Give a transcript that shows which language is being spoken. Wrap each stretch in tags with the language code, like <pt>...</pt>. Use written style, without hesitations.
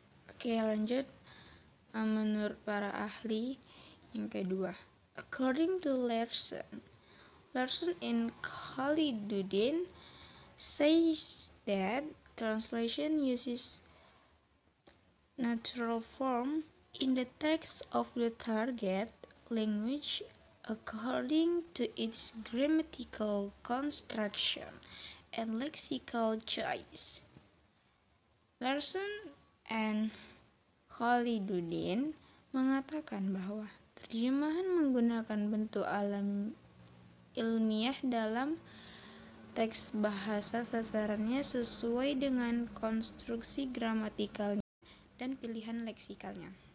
<id>Oke, lanjut menurut para ahli yang kedua.</id> <en>According to Larson and Khalidudin says that translation uses natural form in the text of the target language according to its grammatical construction and lexical choice.</en> <id>Larson and Khalidudin mengatakan bahwa terjemahan menggunakan bentuk alam ilmiah dalam teks bahasa sasarannya sesuai dengan konstruksi gramatikalnya dan pilihan leksikalnya.</id>